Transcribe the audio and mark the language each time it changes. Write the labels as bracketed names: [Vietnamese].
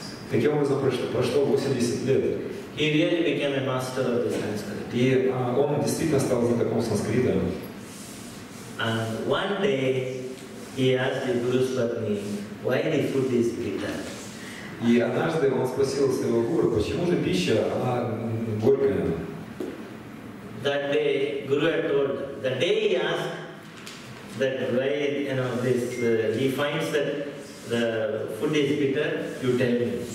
[Russian] Таким образом, прошло 80 лет. [English] He really became a master of the Sanskrit. [Russian] И он действительно стал знатоком санскрита. [English] And one day he asked the Guru Swami, why the food is bitter? [Russian] И однажды он спросил своего гуру, почему же пища она горькая? [English] That day Guru had told, the day he asked that why you know this he finds that the food is bitter, you tell me.